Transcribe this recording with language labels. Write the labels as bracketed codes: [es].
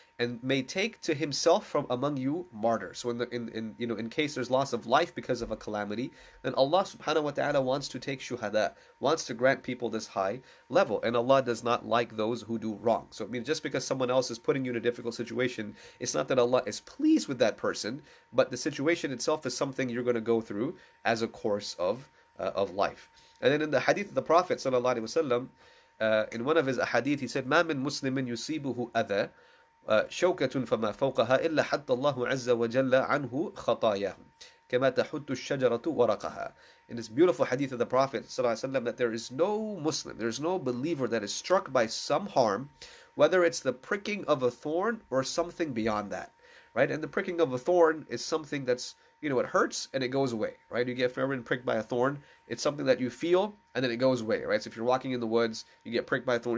[en] and may take to himself from among you martyrs. So in case there's loss of life because of a calamity, then Allah subhanahu wa ta'ala wants to take shuhada, wants to grant people this high level. And Allah does not like those who do wrong. So I mean, just because someone else is putting you in a difficult situation, it's not that Allah is pleased with that person, but the situation itself is something you're going to go through as a course of life. And then in the hadith of the Prophet sallallahu alaihi wasallam, in one of his hadith, he said, [ar] "ما من مسلم يصيبه أذى شوكة فما فوقها إلا حتى الله عز وجل عنه خطاياه كما تحط الشجرة ورقها." [en] In this beautiful hadith of the Prophet sallallahu alaihi wasallam, that there is no Muslim, there is no believer that is struck by some harm, whether it's the pricking of a thorn or something beyond that, right? And the pricking of a thorn is something that's, you know, it hurts and it goes away, right? You get ever pricked by a thorn, it's something that you feel and then it goes away, right? So if you're walking in the woods, you get pricked by a thorn.